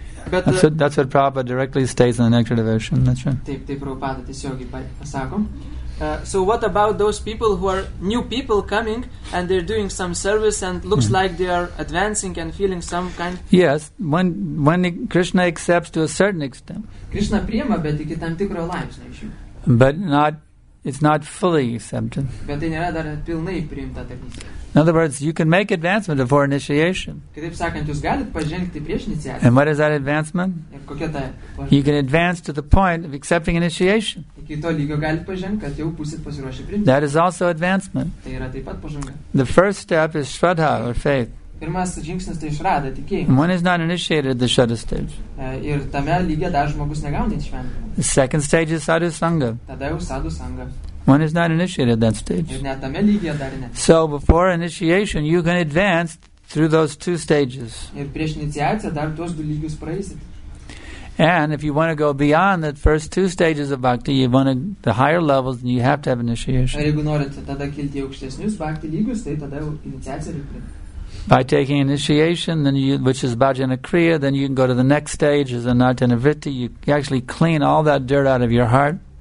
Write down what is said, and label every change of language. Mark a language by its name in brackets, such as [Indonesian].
[English] But that's what Prabhupada directly states in the Nectar Devotion. That's right. [Lithuanian] Taip, Prabhupada tiesiogiai pasako. [English] So what about those people who are new people coming and they're doing some service and looks like they are advancing and feeling some kind? Yes, when Krishna accepts to a certain extent. [Lithuanian] Krishna priima, bet iki tam tikro laipsnio iš jų. [English] But not. It's not fully accepted. [Lithuanian] Bet tai nėra dar pilnai priimta tarnystė. [English] In other words, you can make advancement before initiation. [Lithuanian] Kitaip sakant, jūs galit pažengti prieš iniciaciją. [English] And what is that advancement? [Lithuanian] Ir kokia ta pažengti? [English] You can advance to the point of accepting initiation. [Lithuanian] Iki to lygio galit pažengti, kad jau būsit pasiruošę priimti. [English] That is also advancement. [Lithuanian] Tai yra taip pat pažanga. [English] The first step is shraddha or faith. [Lithuanian] Pirmas žingsnis tai shraddha, tikėjimas. [English] And one is not initiated at the shraddha stage. [Lithuanian] Ir tame lygia dar žmogus negauna įšventimo. [English] The second stage is sadhu sangha. [Lithuanian] Tada jau sadhu sangha. [English] One is not initiated at that stage. [Lithuanian] Ir net tame lygia dar ne. [English] So before initiation, you can advance through those two stages. [Lithuanian] Ir prieš iniciaciją dar tuos du lygius praeisit. [English] And if you want to go beyond the first two stages of bhakti, you want to the higher levels, then you have to have initiation. [Lithuanian] Ir jeigu norite tada kilti aukštesnius bhakti lygius, tai tada jau iniciaciją reikia. [English] By taking initiation, then you, which is bhajana kriya, then you can go to the next stage, is anartana vritti. You actually clean all that dirt out of your heart.